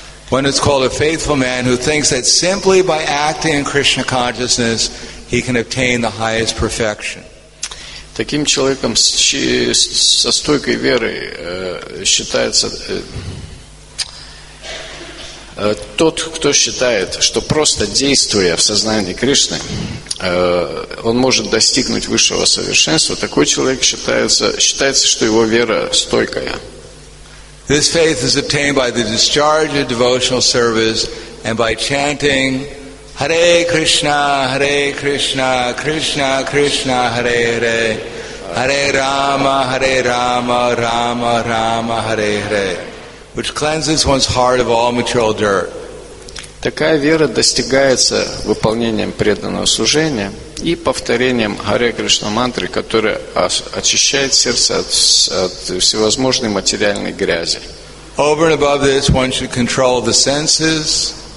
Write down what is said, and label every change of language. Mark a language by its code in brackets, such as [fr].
[en] When it's called a faithful man who thinks that simply by acting in Krishna consciousness he can obtain the highest perfection. [ru] Таким человеком со стойкой верой считается тот, кто считает, что просто действуя в сознании Кришны, он может достигнуть высшего совершенства. Такой человек считается, что его вера стойкая. [en] This faith is obtained by the discharge of devotional service and by chanting Hare Krishna, Hare Krishna, Krishna Krishna, Hare Hare, Hare Rama, Rama Rama, Hare Hare, which cleanses one's heart of all material dirt. [ru] Такая вера достигается выполнением преданного служения и повторением Харе Кришна мантры, которая очищает сердце от всевозможной материальной грязи. [en] Over and above this, one should control the senses.